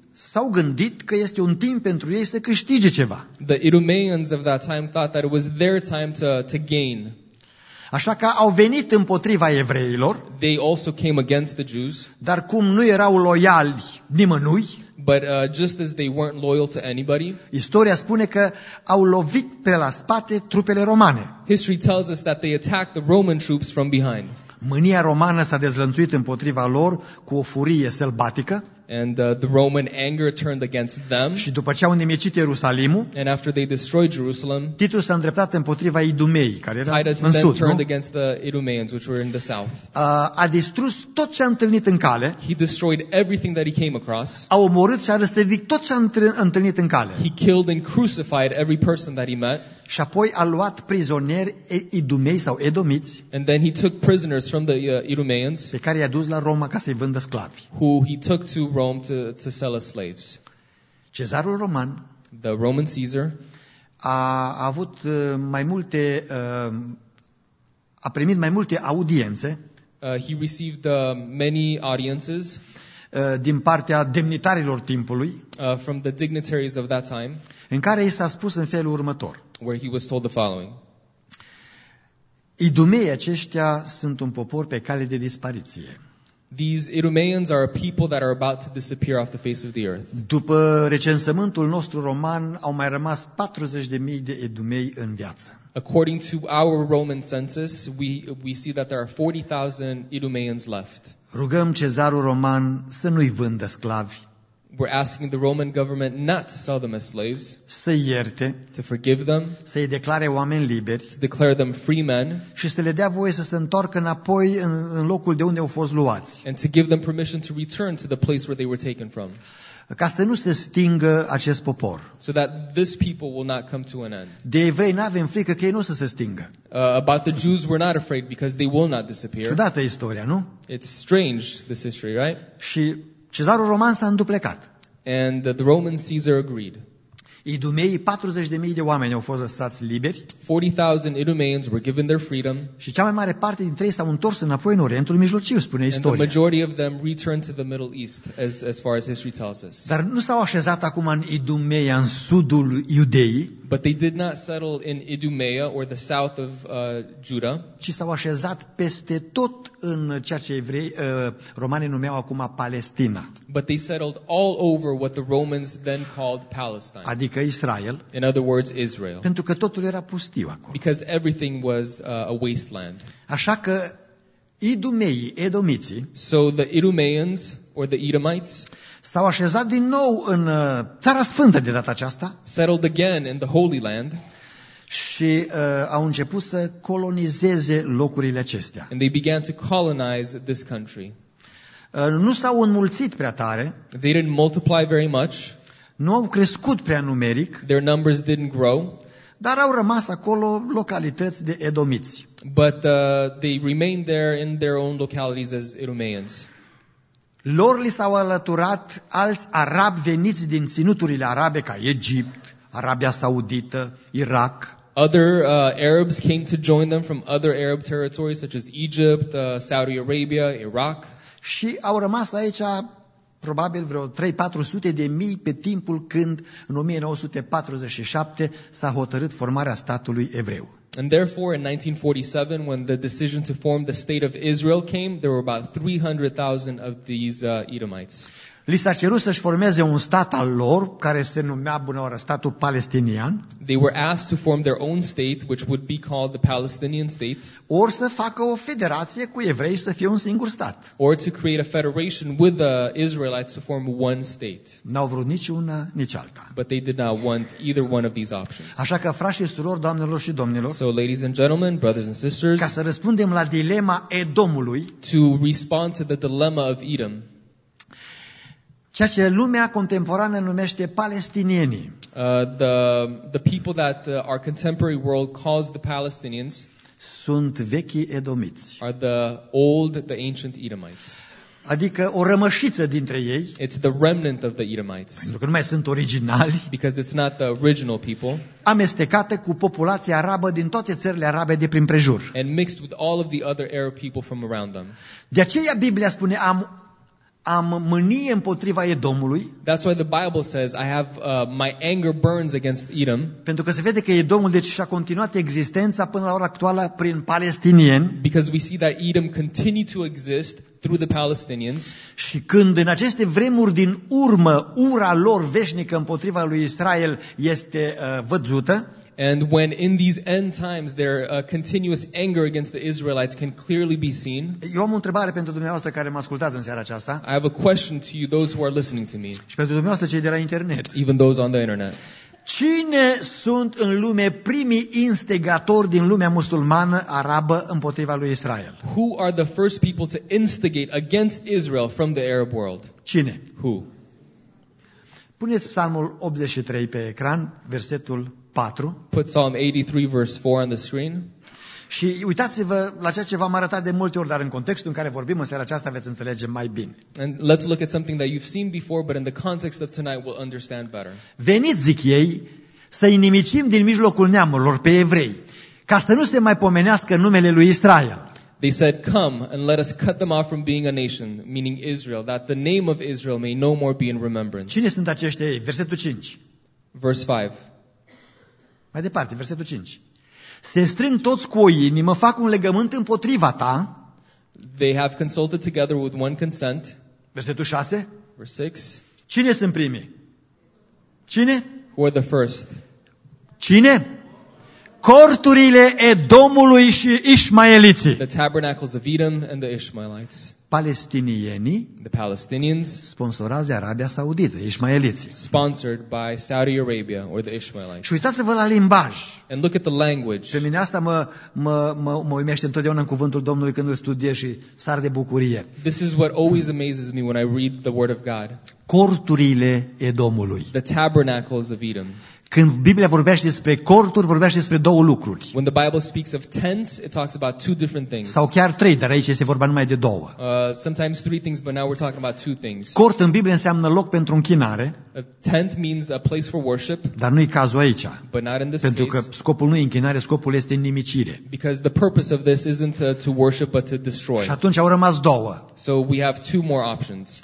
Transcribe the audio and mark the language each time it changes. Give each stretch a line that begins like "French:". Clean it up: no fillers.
Romanian: s-au gândit că este un timp pentru ei să câștige ceva.
English: The Idumeans of that time thought that it was their time to gain.
Romanian: Așa că au venit împotriva evreilor.
English: They also came against the Jews.
Romanian: Dar cum nu erau loiali nimănui,
English: but just as they weren't loyal to anybody.
Romanian: Istoria spune că au lovit pe la spate trupele romane.
English: History tells us that they attacked the Roman troops from behind.
Romanian: Mânia romană s-a dezlănțuit împotriva lor cu o furie sălbatică.
English: And the Roman anger turned against them.
Romanian: Și după ce au nimicit Ierusalimul,
English: and after they destroyed Jerusalem,
Romanian: Titus s-a îndreptat împotriva Idumei, care era
English: Titus
Romanian: în sud,
English: turned against the Idumeans, which were in the south.
Romanian: A distrus tot ce a întâlnit în cale.
English: He destroyed everything that he came across.
Romanian: A omorât și a răstignit tot ce a întâlnit în cale.
English: He killed and crucified every person that he met.
Romanian: Și apoi a luat prizonieri Idumei sau Edomiți.
English: And then he took prisoners from the Idumeans.
Romanian: Pe care i-a dus la Roma ca să-i vândă sclavi.
English: Who he took to Rome to sell as slaves.
Romanian: Cezarul Roman,
English: the Roman Caesar,
Romanian: a avut mai multe a primit mai multe audiențe.
English: He received many audiences
Romanian: din partea demnitarilor timpului,
English: from the dignitaries of that time,
Romanian: în care i s-a spus în felul următor.
English: Where he was told the following.
Romanian: Idumeii aceștia sunt un popor pe cale de dispariție.
English: These Idumeans are a people that are about to disappear off the face of the earth.
Romanian: După recensământul nostru roman, au mai rămas 40.000 de Idumei în viață.
English: According to our Roman census, we see that there are 40,000 Idumeans left.
Romanian: Rugăm Cezarul Roman să nu-i vândă sclavi.
English: We're asking the Roman government not to sell them as slaves.
Romanian: Să ierte,
English: to forgive them.
Romanian: Să-i declare oameni liberi.
English: To declare them free men.
Romanian: Și să le dea voie să se întoarcă înapoi în locul de unde au fost luați.
English: And to give them permission to return to the place where they were taken from.
Romanian: Ca să nu se stingă acest popor.
English: So that this people will not come to an end.
Romanian: De evrei n-avem frică că ei nu o să se stingă.
English: About the Jews we're not afraid because they will not disappear.
Romanian: Ciudată istoria, nu?
English: It's strange this history, right?
Romanian: Și Cezarul Roman s-a înduplecat.
English: And the Roman Caesar agreed.
Romanian: Idumeii, 40.000 de oameni au fost lăsați liberi.
English: 40,000 Idumeans were given their freedom.
Romanian: Și cea mai mare parte dintre ei s-au întors înapoi în Orientul Mijlociu, spune istoria.
English: And the majority of them returned to the Middle East, as far as history tells us.
Romanian: Dar nu s-au așezat acum în Idumeia, în sudul Iudeii.
English: But they did not settle in Idumeia or the south of Judah.
Romanian: Ci s-au așezat peste tot în ceea ce evrei, romanii numeau acum Palestina.
English: But they settled all over what the Romans then called Palestine.
Romanian: Adică Israel.
English: In other words, Israel.
Romanian: Pentru că totul era pustiu acolo.
English: Because everything was a wasteland.
Romanian: Așa că Idumeii, Edomiții,
English: so the Idumeans or the Edomites,
Romanian: s-au așezat din nou în Țara Sfântă de data aceasta.
English: Settled again in the Holy Land.
Romanian: Și au început să colonizeze locurile acestea.
English: And they began to colonize this country.
Romanian: Nu s-au înmulțit prea tare.
English: They didn't multiply very much.
Romanian: Nu au crescut prea numeric.
English: Their numbers didn't grow.
Romanian: Dar au rămas acolo localități de edomiți.
English: But they remained there in their own localities as Edomians.
Romanian: Lor li s-au alăturat alți arabi veniți din ținuturile arabe ca Egipt, Arabia Saudită, Irak.
English: Other Arabs came to join them from other Arab territories such as Egypt, Saudi Arabia, Iraq.
Romanian: Și au rămas aici probabil vreo 3-400 de mii pe timpul când în 1947 s-a hotărât formarea statului evreu.
English: And therefore in 1947 when the decision to form the state of Israel came, there were about 300,000 of these Edomites.
Romanian: Li s-a cerut să-și formeze un stat al lor care se numea bunăoară statul palestinian.
English: They were asked to form their own state which would be called the Palestinian state.
Romanian: Or să facă o federație cu evrei să fie un singur stat.
English: Or to create a federation with the Israelites to form one state.
Romanian: N-au vrut nici una, nici alta.
English: But they did not want either one of these options.
Romanian: Așa că frașii și surori, doamnelor și domnilor,
English: so ladies and gentlemen, brothers and sisters,
Romanian: ca să răspundem la dilema Edomului,
English: to respond to the dilemma of Edom,
Romanian: ceea ce lumea contemporană numește palestinienii.
English: The people that our contemporary world calls the Palestinians
Romanian: sunt vechi edomiți.
English: Are the ancient Edomites.
Romanian: Adică o rămășiță dintre ei.
English: It's the remnant of the Edomites.
Romanian: Pentru că nu mai sunt originali.
English: Because it's not the original people.
Romanian: Amestecată cu populația arabă din toate țările arabe de prin prejur.
English: And mixed with all of the other Arab people from around them.
Romanian: De aceea Biblia spune am am mânie împotriva Edomului.
English: That's why the Bible says I have my anger burns against Edom.
Romanian: Pentru că se vede că Edomul deci și-a continuat existența până la ora actuală prin palestinieni.
English: Because we see that Edom continued to exist through the Palestinians.
Romanian: Și când în aceste vremuri din urmă ura lor veșnică împotriva lui Israel este văzută.
English: And when in these end times their continuous anger against the Israelites can clearly be seen.
Romanian: Eu am o întrebare pentru dumneavoastră care mă ascultați în seara aceasta.
English: I have a question to you, those who are listening to me.
Romanian: Și pentru dumneavoastră cei de la internet.
English: Even those on the internet.
Romanian: Cine sunt în lume primii instigatori din lumea musulmană arabă împotriva lui Israel?
English: Who are the first people to instigate against Israel from the Arab world?
Romanian: Cine?
English: Who?
Romanian: Puneți Psalmul 83 pe ecran, versetul 4.
English: Put Psalm 83 verse 4 on the screen.
Romanian: Și uitați-vă la ceea ce v-am arătat de multe ori, dar în contextul în care vorbim în seara aceasta veți înțelege mai bine.
English: And let's look at something that you've seen before, but in the context of tonight we'll understand better.
Romanian: Veniți, zic ei, să îi nimicim din mijlocul neamurilor pe evrei, ca să nu se mai pomenească numele lui Israel.
English: They said, come and let us cut them off from being a nation, meaning Israel, that the name of Israel may no more be in remembrance.
Romanian: Cine sunt aceștia ei? Versetul 5.
English: Verse 5.
Romanian: Mai departe, versetul 5. Se strâng toți cu o inimă, fac un legământ împotriva ta.
English: They have consulted together with one consent.
Romanian: Versetul 6.
English: Verse 6.
Romanian: Cine sunt primii? Cine? Who are the first? Cine? Corturile Edomului și Ishmaeliții.
English: The tabernacles of Edom and the Ishmaelites.
Romanian: Palestinienii.
English: The Palestinians.
Romanian: Sponsorați de Arabia Saudită, Ishmaeliții.
English: Sponsored by Saudi Arabia or the Ishmaelites.
Romanian: Și uitați-vă la limbaj.
English: And look at the language.
Romanian: Pe mine asta mă uimește întotdeauna în cuvântul Domnului când îl studiez și sar de bucurie.
English: This is what always amazes me when I read the word of God.
Romanian: Corturile Edomului.
English: The tabernacles of Edom.
Romanian: Când Biblia vorbește despre corturi, vorbește despre două lucruri.
English: When the Bible speaks of tents, it talks about two different things.
Romanian: Sau chiar trei, dar aici este vorba numai de două.
English: Sometimes three things, but now we're talking about two things.
Romanian: Cort în Biblie înseamnă loc pentru închinare.
English: A tent means a place for worship.
Romanian: Dar nu e cazul aici.
English: But not in this case.
Romanian: Pentru că scopul nu e închinare, scopul este nimicire.
English: Because the purpose of this isn't to worship but to destroy.
Romanian: Și atunci au rămas două.
English: So we have two more options.